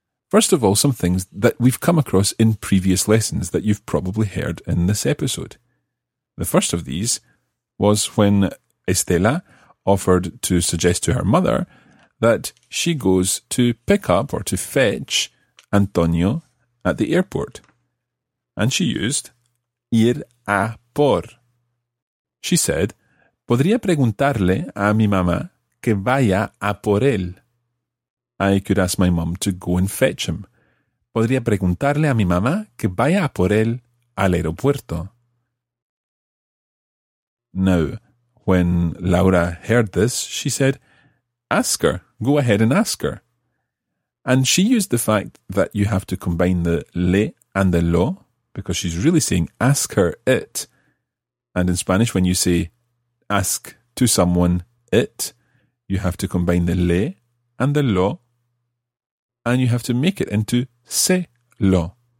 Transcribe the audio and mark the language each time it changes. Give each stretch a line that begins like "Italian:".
English: First of all, some things that we've come across in previous lessons that you've probably heard in this episode. The first of these was when Estela offered to suggest to her mother that she goes to pick up or to fetch Antonio at the airport. And she used ir a por. She said,
Spanish: podría preguntarle a mi mamá que vaya a por él.
English: I could ask my mom to go and fetch him.
Spanish: Podría preguntarle a mi mamá que vaya a por él al aeropuerto.
English: Now, when Laura heard this, she said, ask her, go ahead and ask her. And she used the fact that you have to combine the le and the lo, because she's really saying, ask her it. And in Spanish, when you say, ask to someone it, you have to combine the le and the lo, and you have to make it into se lo.